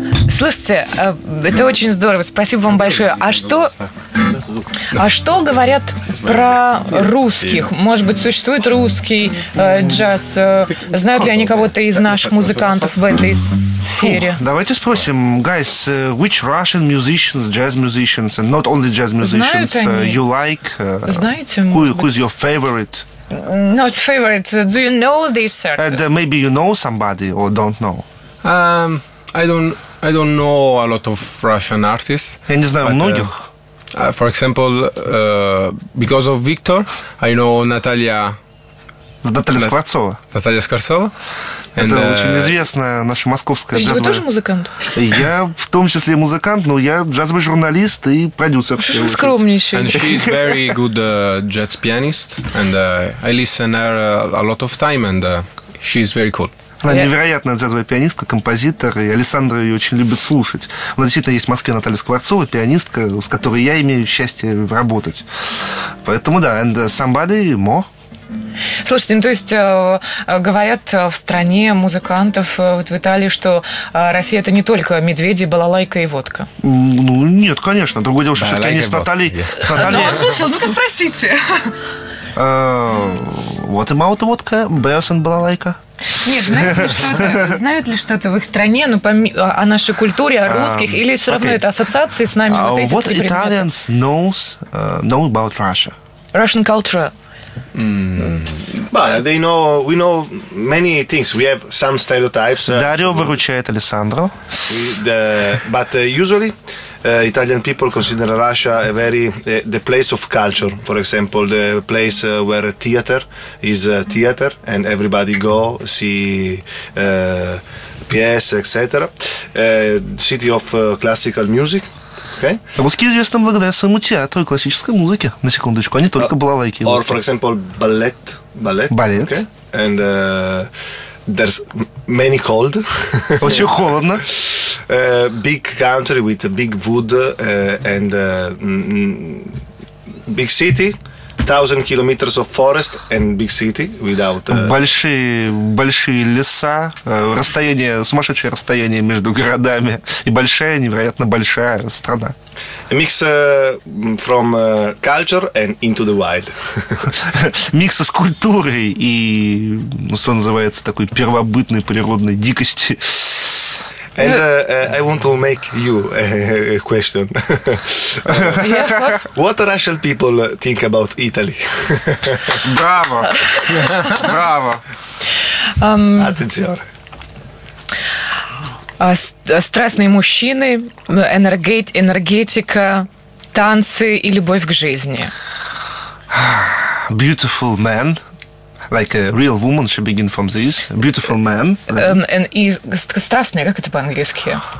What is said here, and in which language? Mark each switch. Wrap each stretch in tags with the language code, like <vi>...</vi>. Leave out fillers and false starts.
<ru>Слушайте, это очень здорово. Спасибо вам большое. А что говорят про русских? Может быть, существует русский джаз? Знают ли они кого-то из наших музыкантов в этой сфере? эфире. Давайте спросим,</ru> <en>guys, which Russian musicians, jazz musicians, and not only jazz musicians, you like?</en> <ru>Знаете,</ru> <en>who's your favorite? Not favorite. Do you know this artist? And maybe you know somebody or don't know. I don't know a lot of Russian artists.</en> <ru>Я не знаю многих.</ru> <en>For example, because of Victor, I know Natalia.</en> <ru>Наталья Скворцова. Наталья Скворцова. Это очень известная наша московская джазовая... Вы тоже музыкант? Я в том числе музыкант, но я джазовый журналист и продюсер. Что же вы скромнейший?</ru> <en>And she is very good jazz pianist, and I listen her a lot of time, and she is very cool.</en> <ru>Она невероятная джазовая пианистка, композитор, и Александр ее очень любит слушать. У нас действительно есть в Москве Наталья Скворцова, пианистка, с которой я имею счастье работать. Поэтому да,</ru> <en>and somebody more.</en> <ru>Слушайте, ну то есть говорят в стране музыкантов вот в Италии, что Россия это не только медведи, балалайка и водка. Ну нет, конечно. Другое дело, что все-таки они с Натальей. Ну он слушал, ну-ка спросите.</ru> <en>What about водка, beers and балалайка?</en> <ru>Нет, знают ли что-то в их стране, ну, о нашей культуре, о русских, или все равно это ассоциации с нами вот эти.</ru> <en>What Italians know about Russia? Russian culture. But they know, we know many things. We have some stereotypes.</en> <ru>Дарио выручает Александро.</ru> <en>But usually, Italian people consider Russia a very the place of culture. For example, the place where theater is theater, and everybody go see pièce, etc. City of classical music. Okay.</en> <ru>Русские известны благодаря своему театру и классической музыке, на секундочку, а не только балалайки.</ru> <en>Or, for example, ballet. Ballet. Okay. And there's many cold.</en> <ru>Очень холодно.</ru> <en>Big country with big wood and big city. 1000 kilometers of forest and big city without...</en> <ru>Большие леса, расстояние, сумасшедшее расстояние между городами и большая, невероятно большая страна.</ru> <en>A mix from culture and into the wild.</en> <ru>Микс с культурой и, ну, что называется, такой первобытной природной дикости.</ru> <en>And I want to make you a question. Yes, what Russian people think about Italy?</en> <ru>Браво! Браво!</ru> <it>Attenzione.</it> <ru>Страстные мужчины, энергетика, танцы и любовь к жизни.</ru> <en>Beautiful man. Like a real woman should begin from this. A beautiful man.</en> <ru>Страстный, как это по-английски?</ru>